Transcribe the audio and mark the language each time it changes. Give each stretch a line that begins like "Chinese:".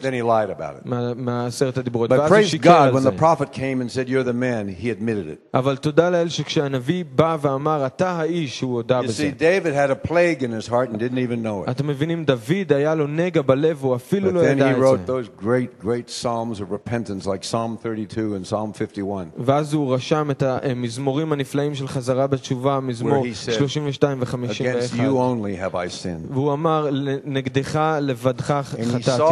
English: Then he lied about it.
Hebrew: מעשרת הדיברות.
English: But praise God, when the prophet came and said, "You're the man," he admitted it.
Hebrew: אבל תודה לאל שכשהנביא בא ואמר, "אתה האיש," הוא הודה בזה.
English: You see, David had a plague in his heart and didn't even know it.
Hebrew: אתם מבינים, דוד היה לו נגע בלב, הוא אפילו לא ידע את זה.
English: But then he wrote those great psalms of repentance like Psalm 32 and Psalm 51.
Hebrew: ואז הוא רשם את המזמורים הנפלאים של חזרה בתשובה, מזמור 32 ו-51. והוא אמר נגדך לבדך חטאתי